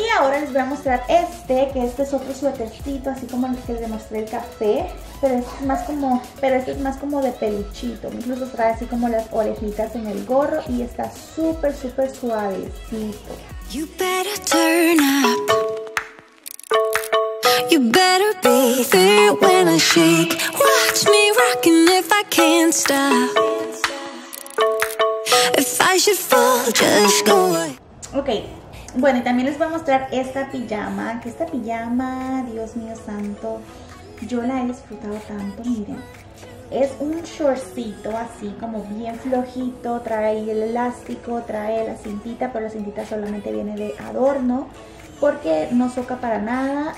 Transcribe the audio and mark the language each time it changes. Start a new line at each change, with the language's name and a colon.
Spanish: Y ahora les voy a mostrar este, que este es otro suétercito, así como el que les mostré el café. Pero este es más como de peluchito. Incluso trae así como las orejitas en el gorro y está súper, súper suavecito.
English: You better turn up. You better be there when I shake. Watch me rocking if I can't stop. If I should fall, just go away. Okay.
Spanish: Bueno, y también les voy a mostrar esta pijama. Que esta pijama, Dios mío santo, yo la he disfrutado tanto, miren. Es un shortcito así, como bien flojito. Trae el elástico, trae la cintita, pero la cintita solamente viene de adorno, porque no soca para nada.